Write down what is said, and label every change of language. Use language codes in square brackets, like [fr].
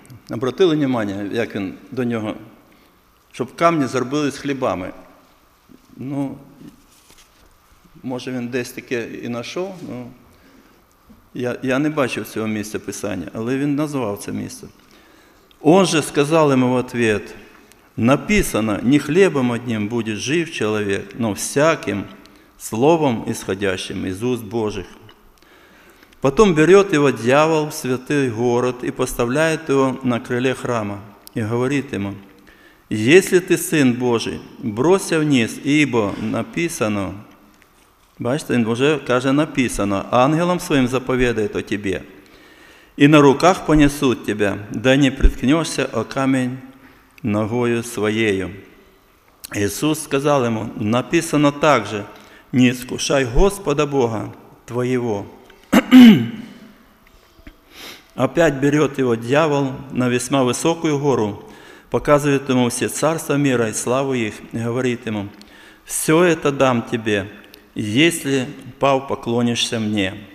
[ru] Обратили внимание, [uk] як він до нього, щоб камні зробились хлібами. Може він десь таке і знайшов, але я не бачив цього місця Писання, але він назвав це місце. [ru] Он же сказал ему в ответ, написано, не хлебом одним будет жив человек, но всяким словом, исходящим из уст Божих. Потом берет его дьявол в святый город и поставляет его на крыле храма и говорит ему, если ты сын Божий, бросься вниз, ибо написано, [uk] бачите, [ru] он уже каже написано, ангелом своим заповедает о тебе, и на руках понесут тебя, да не приткнешься о камень ногою своєю. [uk] Ісус сказав йому, написано так же, не іскушай Господа Бога твоєго. Опять берет його дьявол на весьма високу гору, показує йому всі царства мира і славу їх, і говорить йому, [ru] все это дам тебе, если пав поклонишься мне.